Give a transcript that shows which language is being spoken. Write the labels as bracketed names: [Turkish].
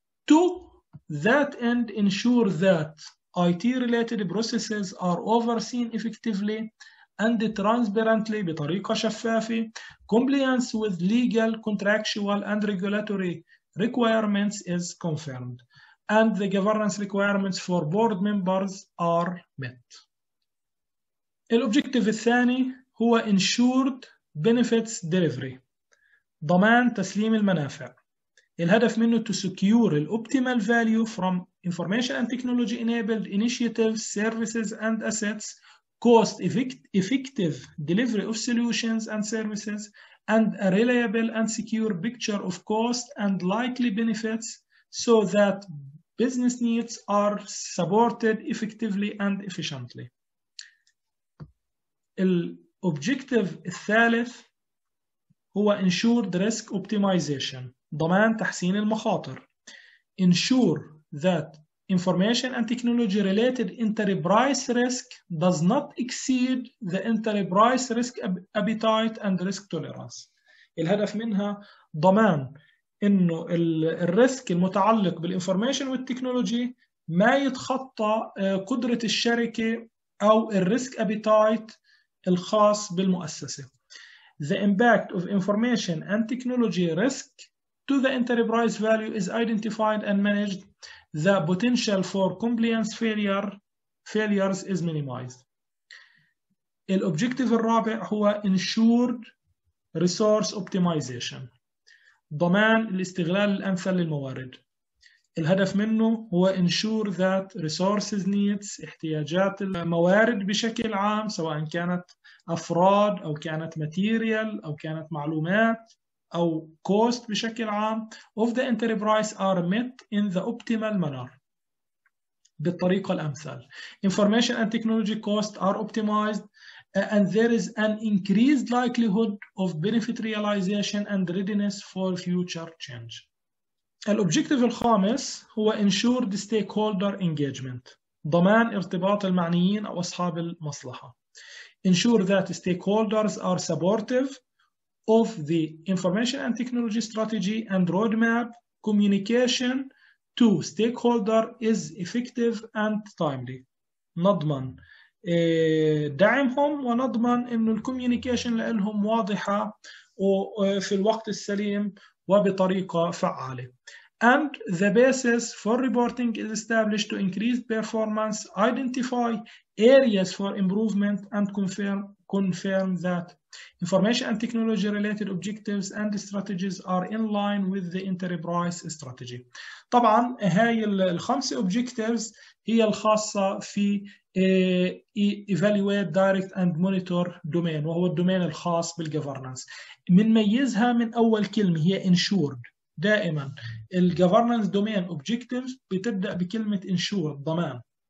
[English] To that end, ensure that IT-related processes are overseen effectively and transparently [Arabic] بطريقة شفافة, [English] compliance with legal, contractual and regulatory requirements is confirmed, and the governance requirements for board members are met. [Arabic] الأوبجيكتيف الثاني هو [English] Ensured Benefits Delivery, [Arabic] ضمان تسليم المنافع. الهدف منه [English] to secure the optimal value from information and technology enabled initiatives, services and assets, cost effective delivery of solutions and services, and a reliable and secure picture of cost and likely benefits so that business needs are supported effectively and efficiently. [Arabic] الobjective الثالث هو [English] ensured risk optimization, [Arabic] ضمان تحسين المخاطر. [English] Ensure that information and technology related enterprise risk does not exceed the enterprise risk appetite and risk tolerance. [Arabic] الهدف منها ضمان انه الريسك المتعلق بالانفورميشن والتكنولوجي ما يتخطى قدرة الشركة او الريسك appetite الخاص بالمؤسسة. [English] The impact of information and technology risk to the enterprise value is identified and managed. The potential for compliance failures is minimized. [Arabic] الobjective الرابع هو [English] ensured resource optimization, [Arabic] ضمان الاستغلال الأمثل للموارد. الهدف منه هو [English] ensure that resources needs, [Arabic] احتياجات الموارد بشكل عام سواء كانت أفراد أو كانت material أو كانت معلومات أو cost بشكل عام [English] of the enterprise are met in the optimal manner [Arabic] بالطريقة الأمثل. [English] Information and technology costs are optimized and there is an increased likelihood of benefit realization and readiness for future change. [Arabic] الobjective الخامس هو [English] ensured stakeholder engagement, [Arabic] ضمان ارتباط المعنيين أو أصحاب المصلحة. [English] Ensure that stakeholders are supportive of the information and technology strategy and roadmap, communication to stakeholder is effective and timely. [Arabic] نضمن دعمهم ونضمن انه الكوميونيكيشن لهم واضحه وفي الوقت السليم وبطريقه فعاله. [English] And the basis for reporting is established to increase performance, identify areas for improvement and confirm that information and technology related objectives and strategies are in line with the enterprise strategy. [Arabic] طبعا هاي الخمس objectives هي الخاصة في [English] evaluate, direct and monitor domain, [Arabic] وهو الدومين الخاص بالgovernance. من ميزها من أول كلمة هي ensured. دائما الgovernance domain objectives بتبدأ بكلمة ensure, ضمان.